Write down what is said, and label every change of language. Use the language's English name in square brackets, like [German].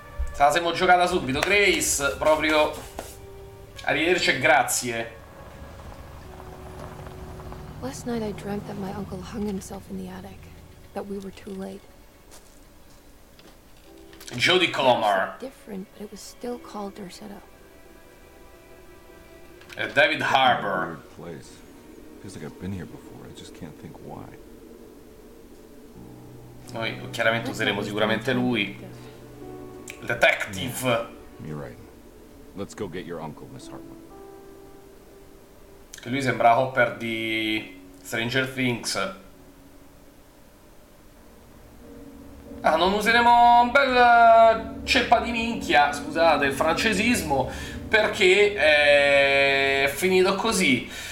[Italian] Se la siamo giocata subito, Grace, proprio. Arrivederci e grazie. [English] Last night I dreamt that my uncle hung himself in the attic, that we were too late. Jodie Comer. It was different, but it was still called Dorsetto. David Harbour. Weird place. Feels like I've been here before. I just can't think why. [Italian] Noi chiaramente useremo sicuramente lui. [English] Detective. You're right. Let's go get your uncle, Miss Hartman. [Italian] Che lui sembra Hopper di Stranger Things. Ah, non useremo un bel ceppa di minchia, scusate, il francesismo, perché è finito così.